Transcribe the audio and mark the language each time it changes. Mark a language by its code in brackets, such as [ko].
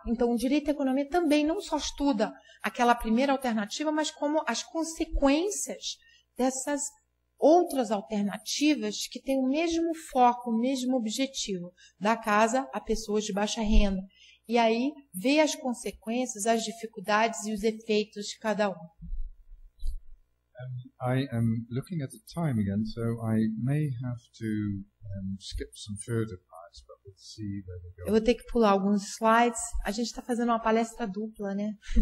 [pt] Então, o direito à economia também não só estuda aquela primeira alternativa, mas como as consequências dessas outras alternativas que têm o mesmo foco, o mesmo objetivo, da casa a pessoas de baixa renda. E aí, vê as consequências, as dificuldades e os efeitos de cada um. [en] I am looking at the time again, so I may have to skip some further parts, but we'll see where we go. [pt] Eu vou ter que pular alguns slides. A gente está fazendo uma palestra dupla, né?